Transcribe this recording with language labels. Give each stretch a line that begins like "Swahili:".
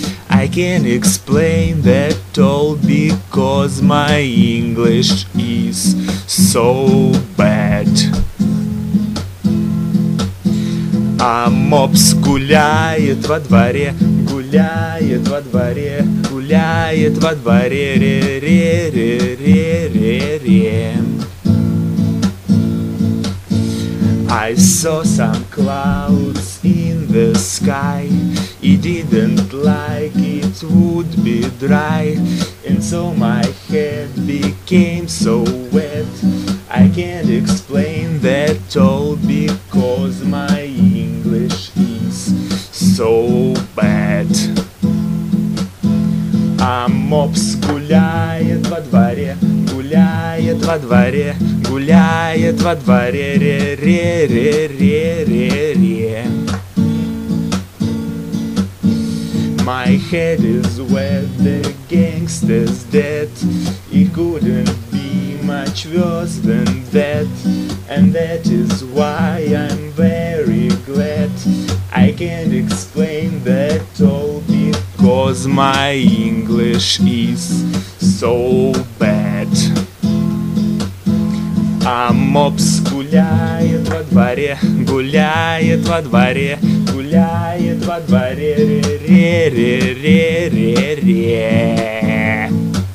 English: I can't explain that all because my English is so bad.
Russian: А мопс гуляет во дворе, гуляет во дворе, гуляет во дворе, ре-ре-ре-ре-ре-ре.
English: I saw some clouds in the sky. He didn't like it would be dry. And so my head became so wet. I can't explain that all because my English is so bad.
Russian: А мопс гуляет во дворе, гуляет во дворе, гуляет во дворе, ре-ре-ре-ре-ре-ре.
English: My head is wet, the gangster's dead. It couldn't be much worse than that. And that is why I'm very glad. I can't explain that all because my English is so bad.
Russian: А мопс гуляет во дворе, гуляет во дворе, гуляет во дворе, ре-ре-ре-ре-ре-ре.